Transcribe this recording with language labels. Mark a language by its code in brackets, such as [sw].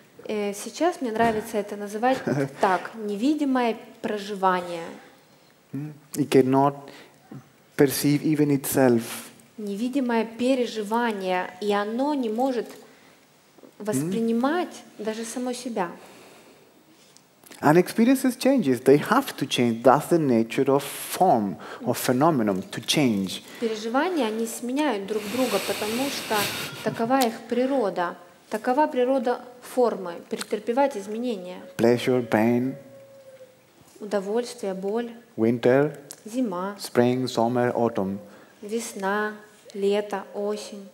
[ru] Сейчас мне нравится это называть так, невидимое проживание. [en] It cannot perceive even itself. [ru] Невидимое переживание, и оно не может воспринимать mm-hmm. даже само себя. [en] And experiences changes. They have to change. That's the nature of form, of phenomenon, to change. [ru] Переживания, они сменяют друг друга, потому что такова их природа. Такова природа формы, претерпевать изменения. [en] Pleasure, pain. [ru] Удовольствие, боль. [en] Winter. [ru] Зима. [en] Spring, summer, autumn. [ru] Весна. Лето, осень.